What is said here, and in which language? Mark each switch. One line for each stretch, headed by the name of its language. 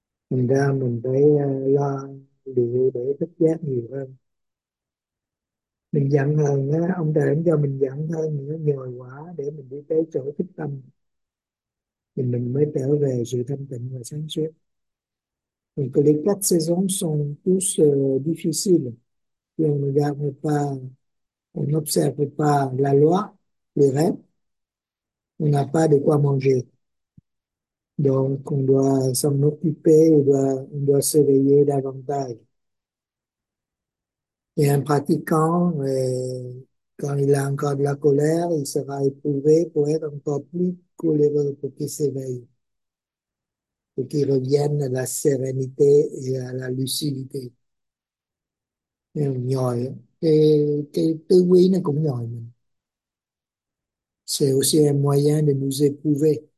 Vietnamese: Mình ra mình phải lo điều để thức giác nhiều hơn. Mình giận hờn á, ông trời không cho mình giận hơn nữa, nhồi quá để mình đi tới chỗ thức tâm. Thì mình mới trở về sự thanh tịnh và sáng suốt. Mình có lẽ các
French: saisons sont tous difficiles. Et on ne regarde pas, on n'observe pas la loi, les règles. On n'a pas de quoi manger. Donc, on doit s'en occuper, on doit s'éveiller davantage. Et un pratiquant, quand il a encore de la colère, il sera éprouvé pour être encore plus coléreux, pour qu'il s'éveille, pour qu'il revienne à la sérénité et à la lucidité.
Vietnamese: Nhồi cái tư quý nó cũng nhồi mình.
French: C'est aussi un moyen de nous éprouver.